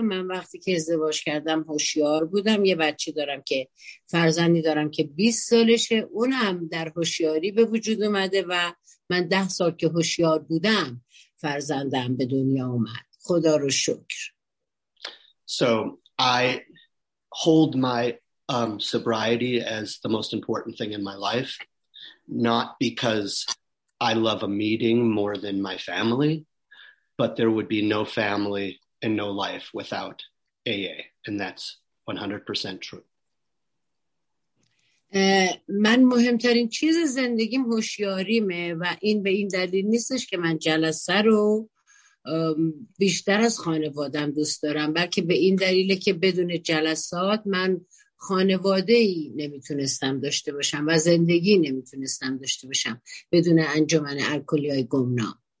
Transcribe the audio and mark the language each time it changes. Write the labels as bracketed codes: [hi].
[fa] من وقتی که ازدواج کردم هوشیار بودم. یه بچه دارم که فرزندی دارم که 20 سالشه. اونم در هوشیاری به وجود اومده و من 10 سال که هوشیار بودم فرزندم به دنیا اومد. خدا رو شکر. [en] So I hold my sobriety as the most important thing in my life, not because I love a meeting more than my family, but there would be no family and no life without AA, and that's 100% true. [fa] من مهمترین چیز زندگیم هوشیاریمه و این به این دلیل نیستش که من جلسه رو بیشتر از خانوادم دوست دارم، بلکه به این دلیله که بدون جلسات من خانواده‌ای نمیتونستم داشته باشم و زندگی نمیتونستم داشته باشم بدون انجمن الکلی های گمنام.